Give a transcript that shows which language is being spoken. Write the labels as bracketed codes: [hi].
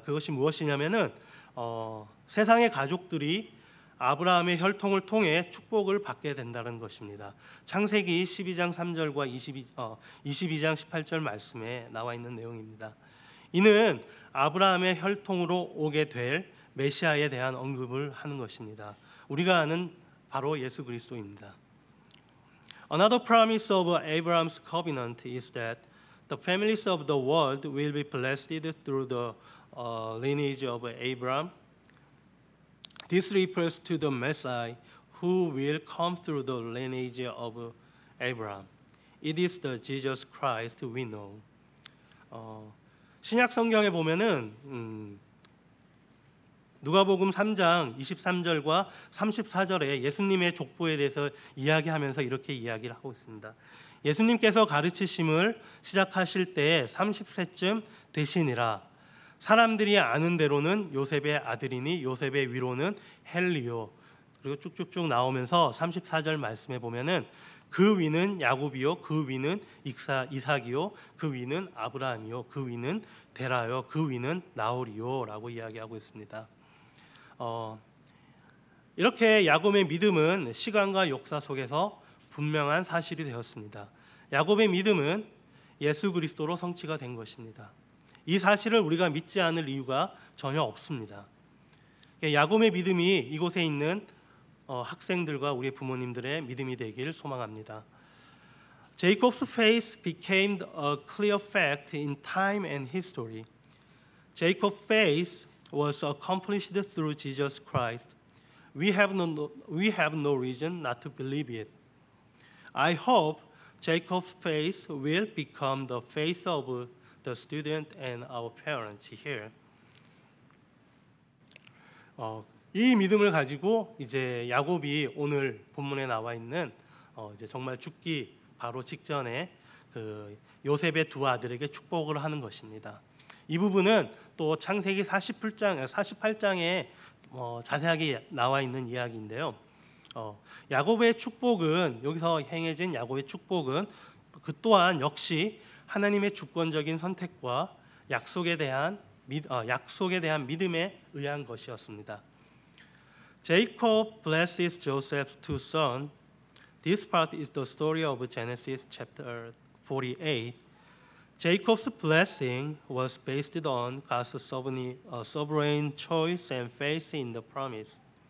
[ko] 그것이 무엇이냐면은 세상의 가족들이 아브라함의 혈통을 통해 축복을 받게 된다는 것입니다. 창세기 12장 3절과 22장 18절 말씀에 나와 있는 내용입니다. 이는 아브라함의 혈통으로 오게 될 메시아에 대한 언급을 하는 것입니다. 우리가 아는 바로 예수 그리스도입니다. [en] Another promise of Abraham's covenant is that the families of the world will be blessed through the lineage of Abraham. This refers to the Messiah who will come through the lineage of Abraham. It is the Jesus Christ we know. [ko] 신약 성경에 보면은 누가복음 3장 23절과 34절에 예수님의 족보에 대해서 이야기하면서 이렇게 이야기를 하고 있습니다. 예수님께서 가르치심을 시작하실 때 30세쯤 되시니라. 사람들이 아는 대로는 요셉의 아들이니 요셉의 위로는 헬리오. 그리고 쭉쭉쭉 나오면서 34절 말씀해 보면은 그 위는 야곱이요, 그 위는 이삭이요, 그 위는 아브라함이요, 그 위는 데라요, 그 위는 나홀이요 라고 이야기하고 있습니다. 이렇게 야곱의 믿음은 시간과 역사 속에서 분명한 사실이 되었습니다. 야곱의 믿음은 예수 그리스도로 성취가 된 것입니다. 이 사실을 우리가 믿지 않을 이유가 전혀 없습니다. 야곱의 믿음이 이곳에 있는 학생들과 우리 부모님들의 믿음이 되길 소망합니다. [en] Jacob's faith became a clear fact in time and history. Jacob's faith was accomplished through Jesus Christ. We have no reason not to believe it. I hope Jacob's faith will become the faith of the student and our parents here. [ko] 이 믿음을 가지고 이제 야곱이 오늘 본문에 나와 있는 이제 정말 죽기 바로 직전에 그 요셉의 두 아들에게 축복을 하는 것입니다. 이 부분은 또 창세기 48장에 자세하게 나와 있는 이야기인데요. 야곱의 축복은 여기서 행해진 야곱의 축복은 그 또한 역시 하나님의 주권적인 선택과 약속에 대한 믿음에 의한 것이었습니다. [en] Jacob blesses Joseph's two sons. This part is the story of Genesis chapter 48. Jacob's blessing was based on God's sovereign choice and faith in the promise.